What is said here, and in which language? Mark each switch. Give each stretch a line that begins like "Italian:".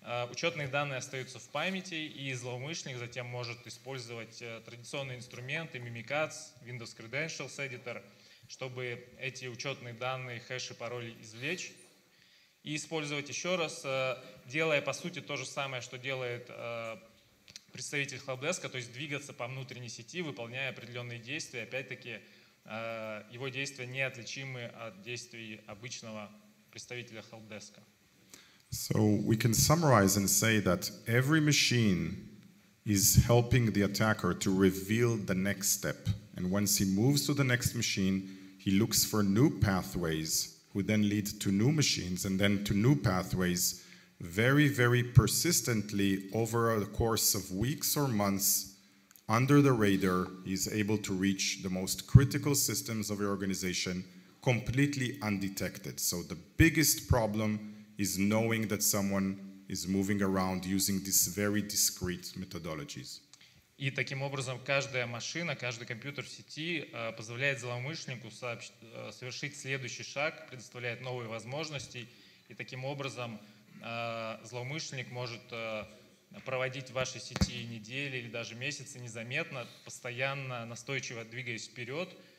Russian: учетные данные остаются в памяти, и злоумышленник затем может использовать традиционные инструменты Mimikatz, Windows Credentials Editor, чтобы эти учетные данные, хэши, пароли извлечь и использовать еще раз, делая по сути то же самое, что делает представитель хелпдеска, то есть двигаться по внутренней сети, выполняя определенные действия. Опять-таки, его действия неотличимы от действий обычного представителя хелпдеска.
English: So we can summarize and say that every machine is helping the attacker to reveal the next step. And once he moves to the next machine, he looks for new pathways who then lead to new machines and then to new pathways, very, very persistently over a course of weeks or months, under the radar, is able to reach the most critical systems of your organization completely undetected. So the biggest problem is knowing that someone is moving around using these very discrete methodologies.
Russian: И таким образом каждая машина, каждый компьютер в сети позволяет злоумышленнику совершить следующий шаг, предоставляет новые возможности, и таким образом злоумышленник может проводить в вашей сети недели или даже месяцы незаметно, постоянно, настойчиво двигаясь вперед.